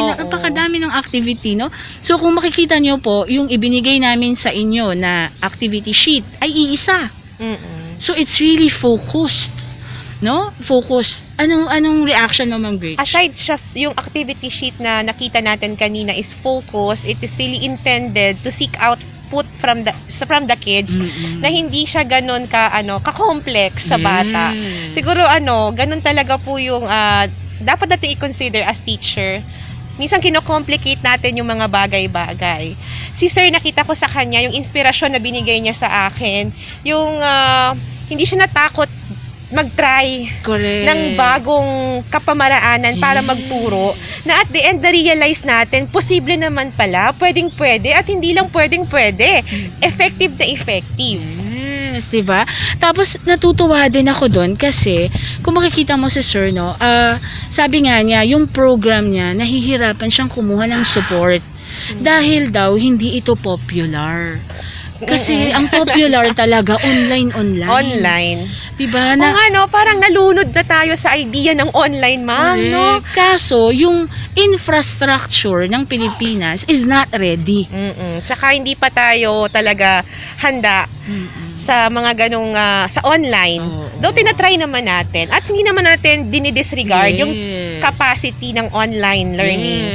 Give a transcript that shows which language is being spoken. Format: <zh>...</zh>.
<tl>Oh, napakadami ng activity, no? So kung makikita nyo po, yung ibinigay namin sa inyo na activity sheet ay iisa. Mm-mm.</tl> <en>So it's really focused. No? Focused.</en> <tl>Anong reaction mo, Ma'am Grace?</tl> <en>Aside</en> <tl>siya, yung activity sheet na nakita natin kanina</tl> <en>is focused, it is really intended to seek out put from the kids. Mm-mm.</en> <tl>Na hindi siya ganun ka ano, ka-complex sa bata.</tl> <en>Yes.</en> <tl>Siguro ano, ganun talaga po yung dapat natin i-consider as teacher. Minsan kino-complicate natin yung mga bagay-bagay. Si Sir, nakita ko sa kanya yung inspirasyon na binigay niya sa akin, yung hindi siya natakot mag-try ng bagong kapamaraanan para magturo, na</tl> <en>at the end</en> <tl>na-realize natin posible naman pala, pwedeng-pwede at hindi lang pwedeng-pwede, effective na effective.</tl> <en>Yes, diba?</en> <tl>Tapos natutuwa din ako doon kasi kung makikita mo si Sir, no, sabi nga niya yung program niya nahihirapan siyang kumuha ng support dahil daw hindi ito popular. Kasi ang popular talaga online. 'Di ba? Kung ano, parang nalunod na tayo sa idea ng online, ma'am, no? Kaso yung</tl> <en>infrastructure ng Pilipinas is not ready.</en> <tl>Mm-mm. Tsaka hindi pa tayo talaga handa. Mm-mm. Sa mga ganung sa online. Though tinatry naman natin at hindi naman natin dinidisregard,</tl> <en>yes,</en> <tl>yung capacity ng online learning.</tl>